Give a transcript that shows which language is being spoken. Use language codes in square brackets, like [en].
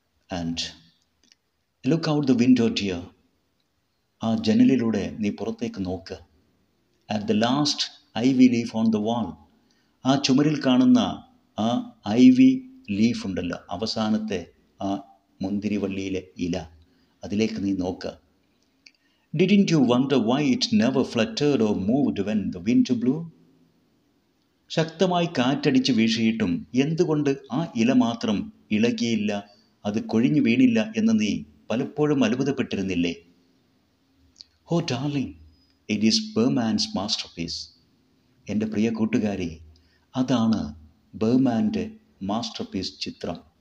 [en] And look out the window dear. [ml] ആ ജനലിലൂടെ നീ പുറത്തേക്ക് നോക്ക്. [en] At the last ivy leaf on the wall. [ml] ആ ചുമരിൽ കാണുന്ന ആ ഐ വി ലീഫ് ഉണ്ടല്ലോ, അവസാനത്തെ ആ മുന്തിരിവള്ളിയിലെ ഇല, അതിലേക്ക് നീ നോക്ക്. [en] Didn't you wonder why it never fluttered or moved when the wind blew? [ml] ശക്തമായി കാറ്റടിച്ച് വീശിയിട്ടും എന്തുകൊണ്ട് ആ ഇല മാത്രം ഇളകിയില്ല, അത് കൊഴിഞ്ഞു വീണില്ല എന്ന് നീ പലപ്പോഴും അത്ഭുതപ്പെട്ടിരുന്നില്ലേ? [en] Oh darling, it is Behrman's masterpiece. [ml] എൻ്റെ പ്രിയ കൂട്ടുകാരി, അതാണ് ബർമാൻ്റെ മാസ്റ്റർ പീസ് ചിത്രം.